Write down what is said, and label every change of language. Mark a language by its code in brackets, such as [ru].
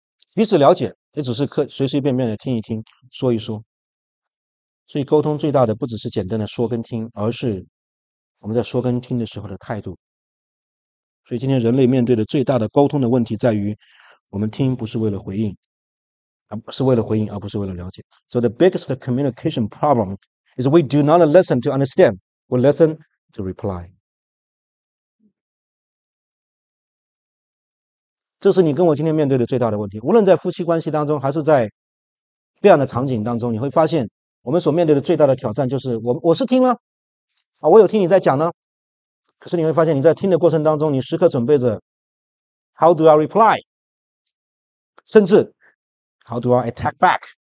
[zh] 即使了解，也只是随随便便的听一听、说一说。所以沟通最大的不只是简单的说跟听，而是我们在说跟听的时候的态度。所以今天人类面对的最大的沟通的问题在于，我们听不是为了回应。是为了回应，而不是为了了解。 [en] So the biggest communication problem is we do not listen to understand, we listen to reply。 [zh] 这是你跟我今天面对的最大的问题。无论在夫妻关系当中，还是在这样的场景当中，你会发现我们所面对的最大的挑战就是我是听了啊，我有听你在讲呢。可是你会发现你在听的过程当中，你时刻准备着 [en] how do I reply， [zh] 甚至 [en] How do I attack back？